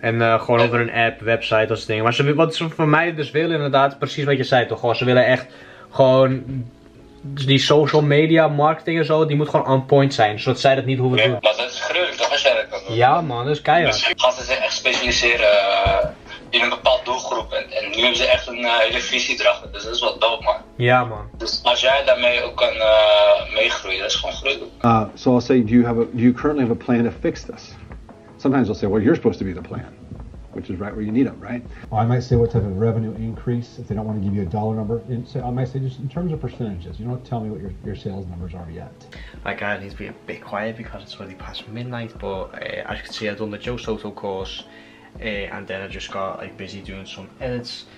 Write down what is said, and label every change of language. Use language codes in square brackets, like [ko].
[en] And going over an app, website, or something. [nl] Maar ze willen, wat ze voor mij dus willen inderdaad, precies wat je zei toch? Ze willen echt gewoon die social media marketing en zo. Die moet gewoon on point zijn, zodat zij dat niet hoeven doen. Maar dat is gruwelijk, dat was jij dat kan doen. Ja, man, dat is keihard. Dus gaan ze zich echt specialiseren in een bepaald doelgroep, en nu hebben ze echt een hele visie erachter, dus dat is wel dope, man. Ja, man. Dus als jij daarmee ook kan meegroeien, dat is gewoon gruwelijk. [en] So I'll say, do you currently have a plan to fix this? Sometimes they'll say, well, you're supposed to be the plan, which is right where you need them, right? Well, I might say what type of revenue increase, if they don't want to give you a dollar number. And so I might say just in terms of percentages, you don't tell me what your sales numbers are yet. Like, I need to be a bit quiet because it's already past midnight, but as you can see, I've done the Joe Soto course, and then I just got like busy doing some edits.